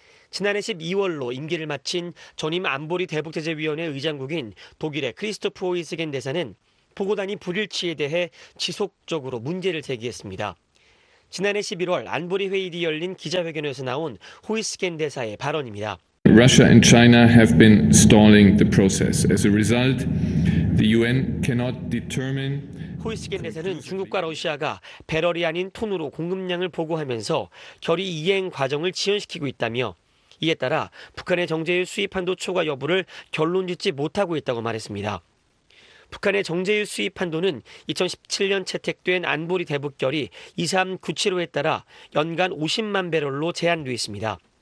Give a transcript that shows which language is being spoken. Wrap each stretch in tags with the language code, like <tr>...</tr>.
<ko>지난해 12월로 임기를 마친 전임 안보리 대북제재위원회 의장국인 독일의 크리스토프 오이스겐 대사는 보고단이 불일치에 대해 지속적으로 문제를 제기했습니다. 지난해 11월 안보리 회의 뒤 열린 기자회견에서 나온 호이스겐 대사의 발언입니다.</ko> <en>Russia and China have been stalling the process. As a result, the UN cannot determine.</en> <ko>호이스겐 대사는 중국과 러시아가 배럴이 아닌 톤으로 공급량을 보고하면서 결의 이행 과정을 지연시키고 있다며 이에 따라 북한의 정제유 수입 한도 초과 여부를 결론짓지 못하고 있다고 말했습니다. 북한의 정제유 수입 한도는 2017년 채택된 안보리 대북결의 2397호에 따라 연간 50만 배럴로 제한돼 있습니다.</ko>